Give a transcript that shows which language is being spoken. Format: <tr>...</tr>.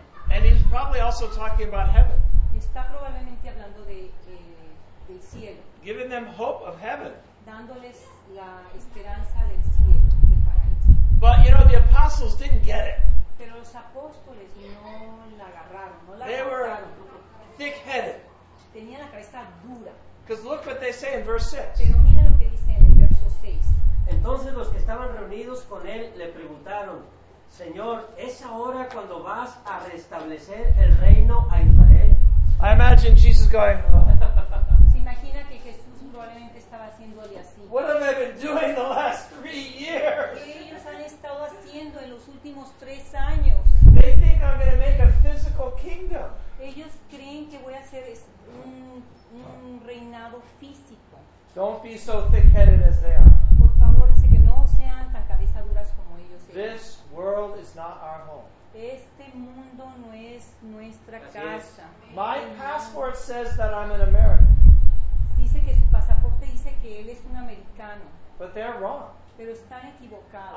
<en>And he's probably also talking about heaven.</en> <es>Está probablemente hablando de, del cielo.</es> <en>Giving them hope of heaven.</en> <es>Dándoles la esperanza del cielo, del paraíso.</es> <en>But you know, the apostles didn't get it.</en> <es>Pero los apóstoles no la agarraron, no la</es> <en>they</en> <es>agarraron.</es> <en>Were thick-headed.</en> <es>Tenían la cabeza dura.</es> <en>Because look what they say in verse 6.</en> <es>Pero mira lo que dice en el verso 6. Entonces los que estaban reunidos con él le preguntaron, Señor, ¿es ahora cuando vas a restablecer el reino a Israel?</es> <en>I imagine Jesus going,</en> <es>se imagina que Jesús probablemente estaba haciéndole así.</es> <en>What have they been doing the last 3 years?</en> <es>¿Qué ellos han estado haciendo en los últimos 3 años?</es> <en>They think I'm going to make a physical kingdom.</en> <es>Ellos creen que voy a hacer un reinado físico.</es> <en>Don't be so thick-headed as they are.</en> <es>Por favor, dice que no sean tan cabezaduras como ellos.</es> <en>This world is not our home.</en> <es>Este mundo no es nuestra</es> <en>yes,</en> <es>casa.</es> <en>Yes. My passport says that I'm an American.</en> <es>Dice que su pasaporte dice que él es un americano.</es> <en>But they're wrong.</en> <es>Pero están equivocados.</es>